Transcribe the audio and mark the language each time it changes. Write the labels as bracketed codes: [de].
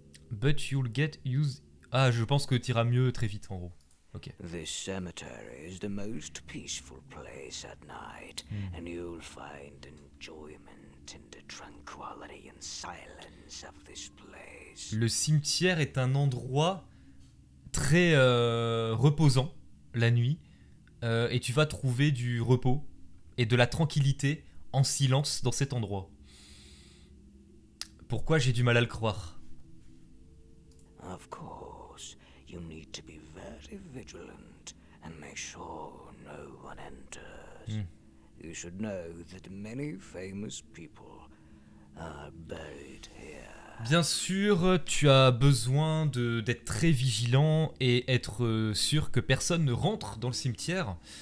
[en] But you'll get used... [fr] Ah, je pense que t'iras mieux très vite, en gros. Ok. [en] This cemetery is the most peaceful place at night. Mm. And you'll find enjoyment in the tranquility and silence of this place. [fr] Le cimetière est un endroit très reposant la nuit. Et tu vas trouver du repos et de la tranquillité en silence dans cet endroit. Pourquoi j'ai du mal à le croire? [en] Of course, you need to be very vigilant and make sure no one enters. Mm. You should know that many famous people are buried here. [fr] Bien sûr, tu as besoin de d'être très vigilant et être sûr que personne ne rentre dans le cimetière.